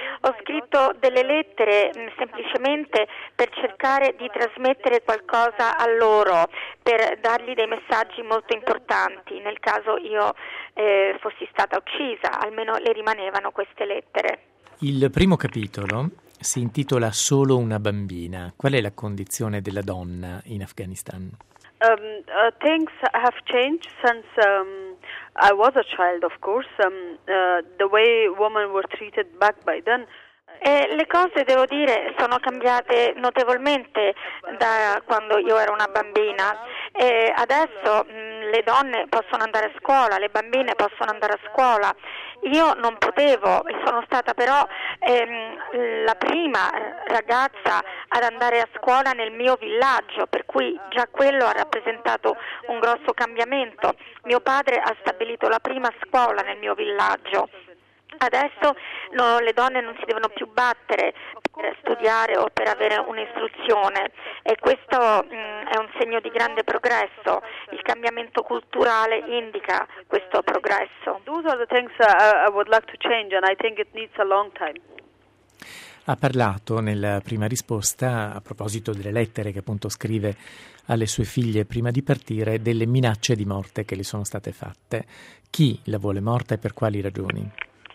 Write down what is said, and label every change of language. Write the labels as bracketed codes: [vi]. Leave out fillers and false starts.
[it] Ho scritto delle lettere semplicemente per cercare di trasmettere qualcosa a loro, per dargli dei messaggi molto importanti nel caso io fossi stata uccisa, almeno le rimanevano queste lettere. Il primo capitolo si intitola Solo una bambina. Qual è la condizione della donna in Afghanistan? [en] Things have changed since I was a child, of course. The way women were treated back by then. [it] Le cose, devo dire, sono cambiate notevolmente da quando io ero una bambina. Adesso le donne possono andare a scuola, le bambine possono andare a scuola. Io non potevo, sono stata però la prima ragazza ad andare a scuola nel mio villaggio, per cui già quello ha rappresentato un grosso cambiamento. Mio padre ha stabilito la prima scuola nel mio villaggio. Adesso no, le donne non si devono più battere per studiare o per avere un'istruzione, e questo è un segno di grande progresso. Il cambiamento culturale indica questo progresso. [en] Those are the things I would like to change, and I think it needs a long time. [it] Ha parlato nella prima risposta, a proposito delle lettere che appunto scrive alle sue figlie prima di partire, delle minacce di morte che le sono state fatte. Chi la vuole morta e per quali ragioni?